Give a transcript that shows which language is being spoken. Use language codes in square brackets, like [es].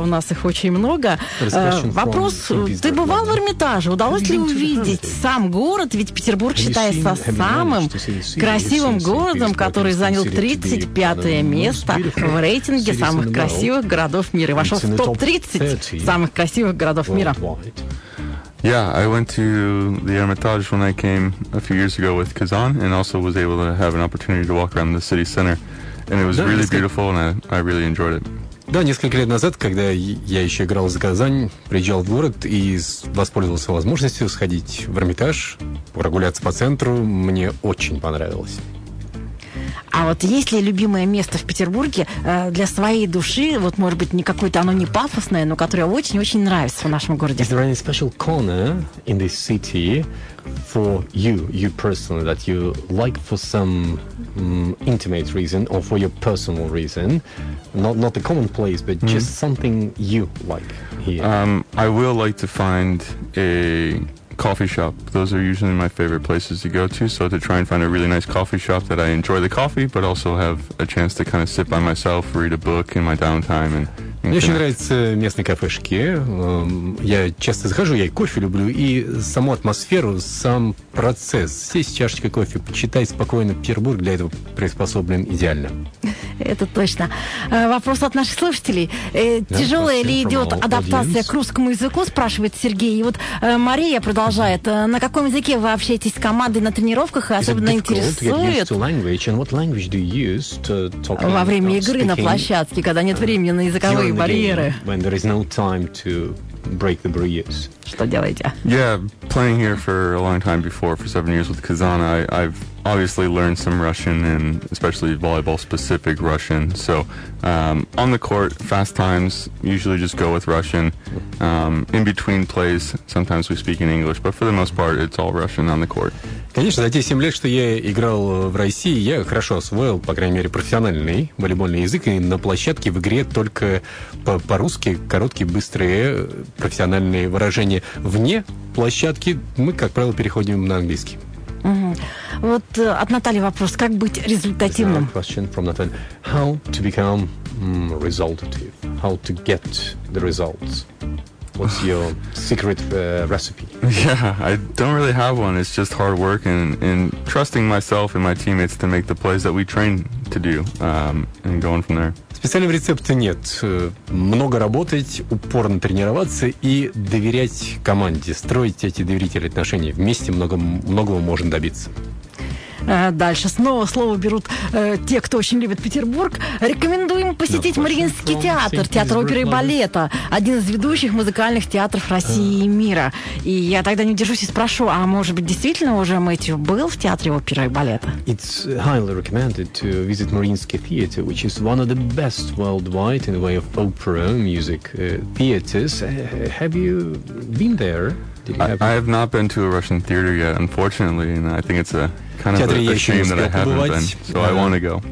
[ru] У нас их очень много. Вопрос, ты бывал в Эрмитаже? Удалось ли увидеть сам город? Ведь Петербург считается самым красивым городом, который занял 35-е место в рейтинге самых красивых городов мира и вошел в топ-30 самых красивых городов мира. [en] Yeah, I went to the Hermitage when I came a few years ago with Kazan, and also was able to have an opportunity to walk around the city center, and it was really beautiful, and I really enjoyed it. [ru] Да, несколько лет назад, когда я еще играл за Казань, приезжал в город и воспользовался возможностью сходить в Эрмитаж, прогуляться по центру, мне очень понравилось. А вот есть ли любимое место в Петербурге для своей души, вот может быть не какое-то оно не пафосное, но которое очень-очень нравится в нашем городе? [en] Is there any special corner in this city for you, you personally, that you like for some intimate reason or for your personal reason? Not the common place, but just something you like here. I will like to find a coffee shop. Those are usually my favorite places to go to, so to try and find a really nice coffee shop that I enjoy the coffee, but also have a chance to kind of sit by myself, read a book in my downtime. [ru] Мне очень нравятся местные кафешки. Я часто захожу, я и кофе люблю, и саму атмосферу, сам процесс. Сесть чашечкой кофе, почитать спокойно Петербург, для этого приспособлен идеально. Это точно. Вопрос от наших слушателей. Тяжелая ли идет адаптация к русскому языку, спрашивает Сергей. И вот Мария продолжает. На каком языке вы общаетесь с командой на тренировках и особенно интересует? Во время игры на площадке, когда нет времени на языковые барьеры. [en] When there is no time to break the barriers. [ru] Что делаете? [en] Yeah, playing here for a long time before, for 7 years with Kazan, I've obviously learned some Russian, and especially volleyball-specific Russian. So on the court, fast times, usually just go with Russian. In between plays, sometimes we speak in English, but for the most part, it's all Russian on the court. [ru] Конечно, за те 7 лет, что я играл в России, я хорошо освоил, по крайней мере, профессиональный волейбольный язык, и на площадке в игре только по-русски короткие, быстрые профессиональные выражения. Вне площадки мы, как правило, переходим на английский. Mm-hmm. Вот от Натальи вопрос, как быть результативным? [en] Question from Natalie. How to become resultative? How to get the results? What's your secret recipe? Yeah, I don't really have one. It's just hard work and trusting myself and my teammates to make the plays that we train to do and going from there. [ru] Специального рецепта нет. Много работать, упорно тренироваться и доверять команде, строить эти доверительные отношения. Вместе многого можем добиться. Дальше снова слово берут те, кто очень любит Петербург. Рекомендуем посетить Мариинский театр, театр оперы и балета, один из ведущих музыкальных театров России и мира. И я тогда не удержусь и спрошу, а может быть действительно уже Мэтью был в театре оперы и балета? [en] It's highly recommended to visit Mariinsky Theatre, which is one of the best worldwide in the way of opera music theaters. Have you been there? I have not been to a Russian theater yet, unfortunately, and I think it's a kind of a shame that I haven't been, so I want to go.